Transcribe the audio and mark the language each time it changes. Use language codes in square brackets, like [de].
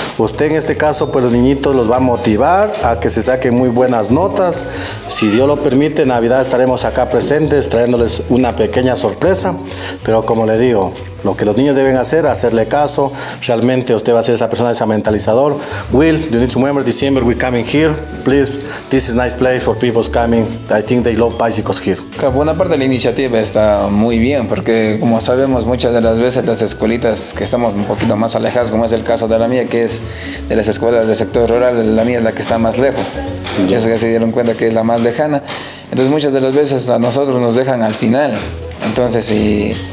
[es] Usted en este caso, pues los niñitos los va a motivar a que se saquen muy buenas notas. Si Dios lo permite, en Navidad estaremos acá presentes trayéndoles una pequeña sorpresa. Pero como le digo, lo que los niños deben hacer, hacerle caso. Realmente usted va a ser esa persona, ese mentalizador. [en] Will, you need to remember, December we coming here. Please, this is nice place for people coming. I think they love bicycles here. [es] Buena parte de la iniciativa está muy bien, porque como sabemos, muchas de las veces las escuelitas que estamos un poquito más alejadas, como es el caso de la mía, que es de las escuelas del sector rural, la mía es la que está más lejos. Ya se dieron cuenta que es la más lejana. Entonces muchas de las veces a nosotros nos dejan al final. Entonces si...